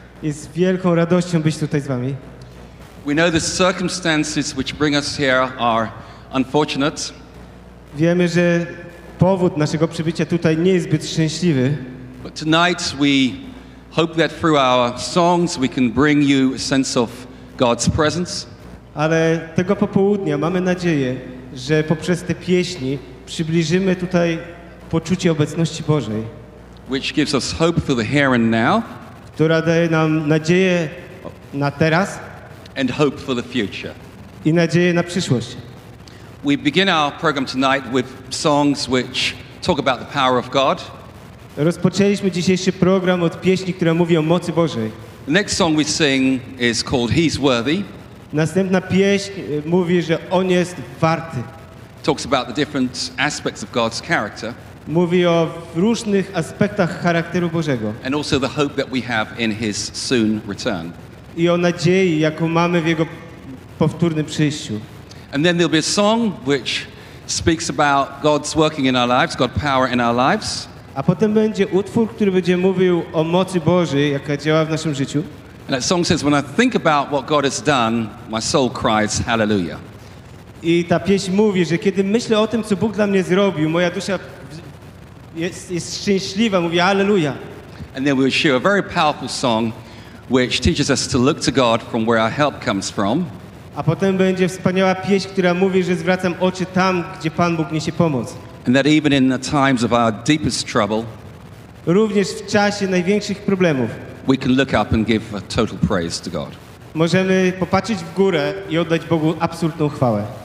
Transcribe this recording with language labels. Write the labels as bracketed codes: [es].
[pl] Jest wielką radością być tutaj z wami. [en] We know the circumstances which bring us here are unfortunate. [pl] Wiemy, że powód naszego przybycia tutaj nie jest zbyt szczęśliwy. [en] But tonight we hope that through our songs we can bring you a sense of God's presence. [pl] Ale tego popołudnia mamy nadzieję, że poprzez te pieśni przybliżymy tutaj poczucie obecności Bożej. [en] Which gives us hope for the here and now. [pl] Która daje nam nadzieję na teraz. [en] And hope for the future. [pl] I nadzieję na przyszłość. [en] We begin our program tonight with songs which talk about the power of God. [pl] Rozpoczęliśmy dzisiejszy program od pieśni, która mówi o mocy Bożej. [en] The next song we sing is called He's Worthy. [pl] Następna pieśń mówi, że On jest warty. [en] Talks about the different aspects of God's character. [pl] Mówi o różnych aspektach charakteru Bożego. [en] And also the hope that we have in His soon return. [pl] I o nadziei, jaką mamy w Jego powtórnym przyjściu. [en] And then there'll be a song which speaks about God's working in our lives, God's power in our lives. [pl] A potem będzie utwór, który będzie mówił o mocy Bożej, jaka działa w naszym życiu. [en] And that song says, when I think about what God has done, my soul cries hallelujah. [pl] I ta pieśń mówi, że kiedy myślę o tym, co Bóg dla mnie zrobił, moja dusza jest szczęśliwa, mówi hallelujah. [en] And then we'll share a very powerful song which teaches us to look to God from where our help comes from. [pl] A potem będzie wspaniała pieśń, która mówi, że zwracam oczy tam, gdzie Pan Bóg niesie pomoc. [en] And that even in the times of our deepest trouble, [pl] również w czasie największych problemów, [en] we can look up and give a total praise to God. [pl] Możemy popatrzeć w górę i oddać Bogu absolutną chwałę.